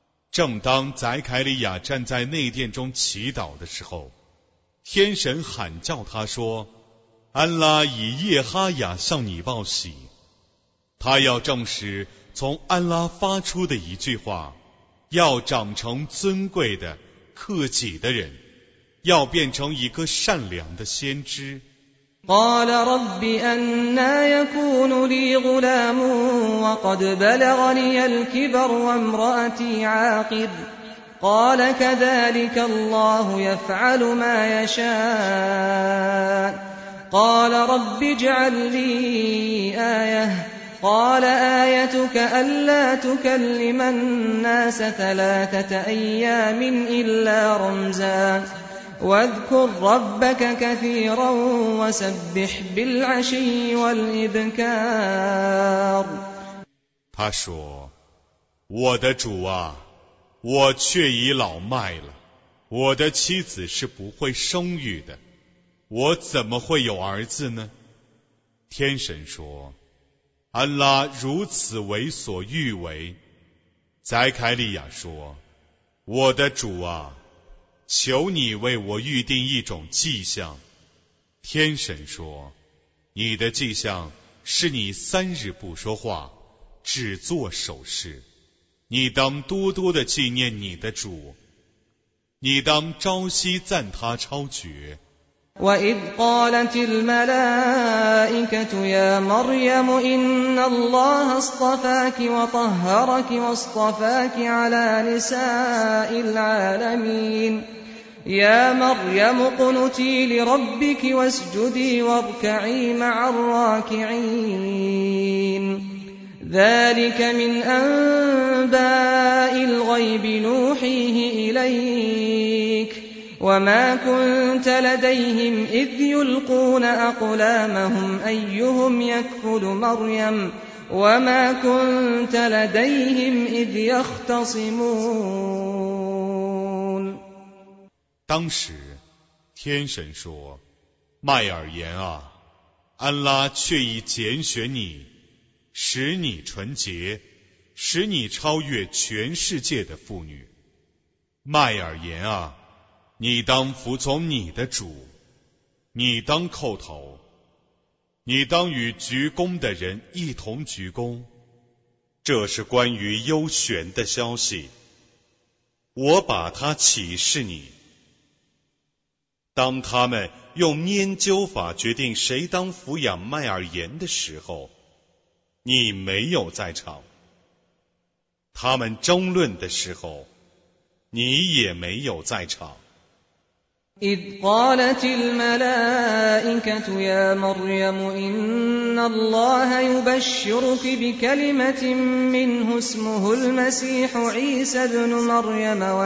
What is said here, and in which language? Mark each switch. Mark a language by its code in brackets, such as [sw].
[zh] 正当宰凯利亚站在内殿中祈祷的时候，天神喊叫他说，安拉以叶哈雅向你报喜，他要证实从安拉发出的一句话，要长成尊贵的克己的人，要变成一个善良的先知。 [ar] قال رب أنى يكون لي غلام وقد بلغني الكبر وامرأتي عاقر قال كذلك الله يفعل ما يشاء قال رب اجعل لي آية قال آيتك ألا تكلم الناس ثلاثة أيام إلا رمزا واذكر ربك كثيرا وسبح بالعشي والإبكار [zh] 他说，我的主啊，我却已老迈了，我的妻子是不会生育的，我怎么会有儿子呢？天神说，安拉如此为所欲为。宰凯利亚说，我的主啊，求你为我预定一种迹象。天神说，你的迹象是你三日不说话，只做手势。你当多多的纪念你的主，你当朝夕赞他超绝。 [ar] وَإِذْ قَالَتِ الْمَلَائِكَةُ يَا مَرْيَمُ إِنَّ اللَّهَ اصْطَفَاكِ وَطَهَّرَكِ وَاصْطَفَاكِ عَلَى نِسَاءِ الْعَالَمِينَ يَا مَرْيَمُ قُنُتِي لِرَبِّكِ وَاسْجُدِي وَارْكَعِي مَعَ الرَّاكِعِينَ ذَلِكَ مِنْ أَنْبَاءِ الْغَيْبِ نُوحِيهِ إِلَيْكَ وما كنت لديهم إذ يلقون أقلامهم أيهم يكفل مريم وما كنت لديهم إذ يختصمون [zh] 当时天神说，麦尔言啊，安拉却已拣选你，使你纯洁，使你超越全世界的妇女。麦尔言啊，你当服从你的主，你当叩头，你当与鞠躬的人一同鞠躬。这是关于幽玄的消息，我把它启示你。当他们用拈阄法决定谁当抚养麦尔言的时候，你没有在场。他们争论的时候，你也没有在场。 [ar] إذ قالت الملائكة يا مريم إن الله يبشرك بكلمة منه اسمه المسيح عيسى بن مريم